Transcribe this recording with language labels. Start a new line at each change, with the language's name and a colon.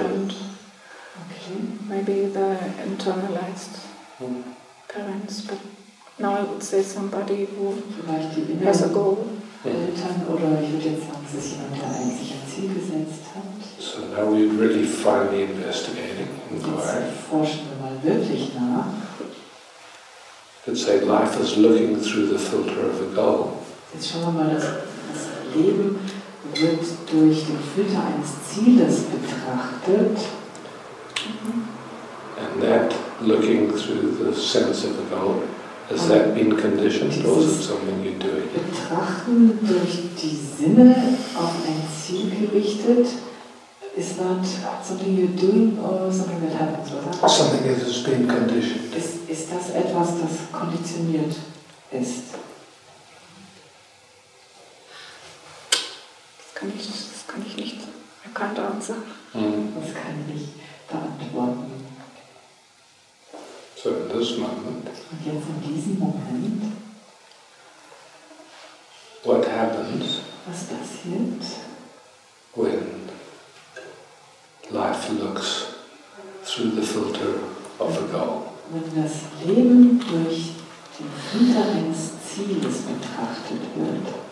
English: Okay, maybe the internalized parents, but now I would say somebody who has a goal.
German: Eltern, oder ich würde jetzt sagen, dass jemand, der ein Ziel gesetzt hat.
English: So now we really finally investigating inquiry.
German: Jetzt forschen wir mal wirklich nach.
English: Let's say life is looking through the filter of a goal.
German: Jetzt schauen wir mal, das Leben wird durch den Filter eines Zieles betrachtet.
English: And that looking through the sense of a goal, has that been conditioned or is it something you're doing?
German: Betrachten durch die Sinne auf ein Ziel gerichtet.
English: Is that something you're doing or something that happens, oder? Something that has been conditioned.
German: Ist das etwas, das konditioniert ist? Das kann ich nicht.
English: I can't answer.
German: Das kann ich nicht beantworten.
English: So in this moment.
German: Und jetzt in diesem Moment.
English: What happens?
German: Was passiert?
English: When life looks through the filter of a goal.
German: Wenn das Leben durch den Filter eines Ziels betrachtet wird.